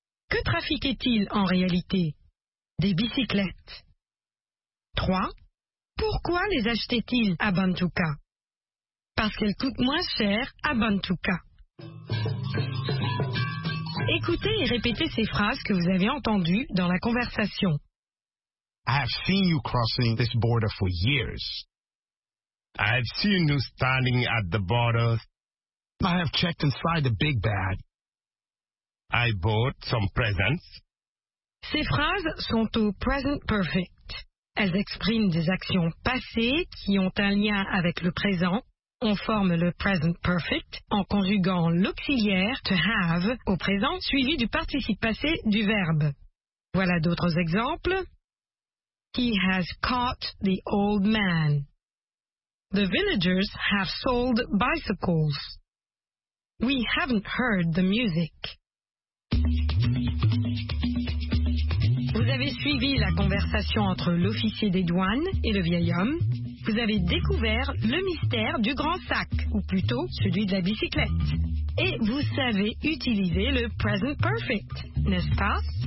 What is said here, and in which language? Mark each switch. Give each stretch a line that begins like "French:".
French: Que trafiquait-il en réalité? Des bicyclettes. 3. Pourquoi les achetait-il à Bantuka? Parce qu'elles coûtent moins cher à Bantuka. Écoutez et répétez ces phrases que vous avez entendues dans la conversation.
English: I've seen you crossing this border for years. I've seen you standing at the border. I have checked inside the big bag. I bought some presents.
French: Ces phrases sont au present perfect. Elles expriment des actions passées qui ont un lien avec le présent. On forme le present perfect en conjuguant l'auxiliaire to have au présent suivi du participe passé du verbe. Voilà d'autres exemples.
English: He has caught the old man. The villagers have sold bicycles. We haven't heard the music.
French: Vous avez suivi la conversation entre l'officier des douanes et le vieil homme. Vous avez découvert le mystère du grand sac, ou plutôt celui de la bicyclette. Et vous savez utiliser le present perfect, n'est-ce pas?